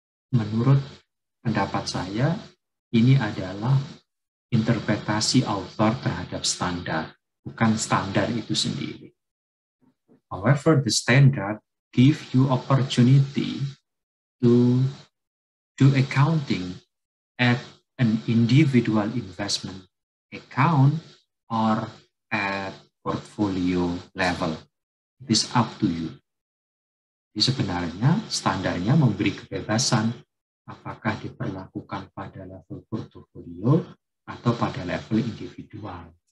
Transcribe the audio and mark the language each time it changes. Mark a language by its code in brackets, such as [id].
[id] Menurut pendapat saya, ini adalah interpretasi author terhadap standar, bukan standar itu sendiri. [en] However, the standard give you opportunity to do accounting at an individual investment account or at portfolio level. It is up to you. [id] Jadi sebenarnya standarnya memberi kebebasan apakah diperlakukan pada level portfolio atau pada level individual.